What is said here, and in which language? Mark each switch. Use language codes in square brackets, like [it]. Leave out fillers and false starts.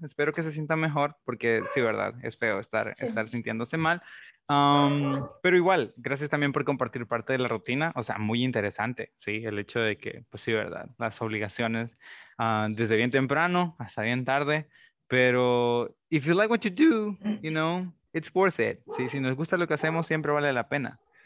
[es] Espero que se sienta mejor porque sí, verdad, es feo estar sintiéndose mal. Pero igual, gracias también por compartir parte de la rutina. O sea, muy interesante, sí, el hecho de que, pues sí, verdad, las obligaciones desde bien temprano hasta bien tarde. [en] Pero if you like what you do, you know, it's worth it. [es] Sí, si nos gusta lo que hacemos, siempre vale la pena.